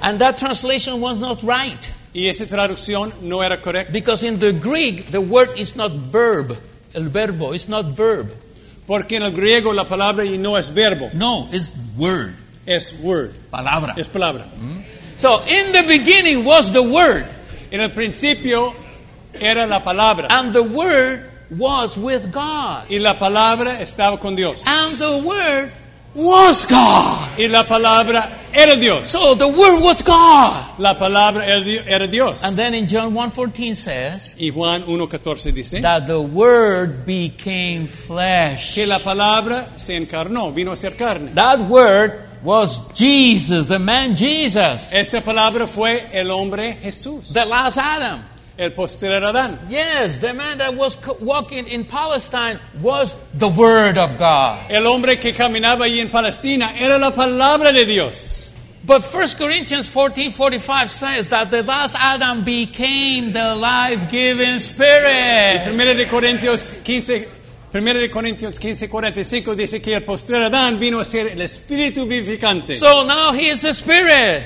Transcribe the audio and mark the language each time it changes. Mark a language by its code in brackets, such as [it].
[en] And that translation was not right. [es] Y esa traducción no era correcta. [en] Because in the Greek the word is not verb. [es] El verbo [en] is not verb. [es] Porque en el griego la palabra y no es verbo. [en] No, it's word. [es] Es word. Palabra. Es palabra. Mm-hmm. [en] So, in the beginning was the word. [es] En el principio era la palabra. [en] And the word was with God. [es] Y la palabra estaba con Dios. [en] And the word was God. [es] Y la palabra era Dios. [en] So, the word was God. [es] La palabra era Dios. [en] And then in John 1:14 says, [es] y Juan 1:14 dice, [en] that the word became flesh. [es] Que la palabra se encarnó, vino a ser carne. [en] That word was Jesus, the man Jesus. [es] Esa palabra fue el hombre Jesús. [en] The last Adam. [es] El posterior Adán. [en] Yes, the man that was walking in Palestine was the word of God. [es] El hombre que caminaba allí en Palestina era la palabra de Dios. [en] But 1 Corinthians 14:45 says that the last Adam became the life-giving spirit. [es] Y Primera de Corintios 15:45 dice que el postrer Adán vino a ser el espíritu vivificante. [en] So now he is the spirit.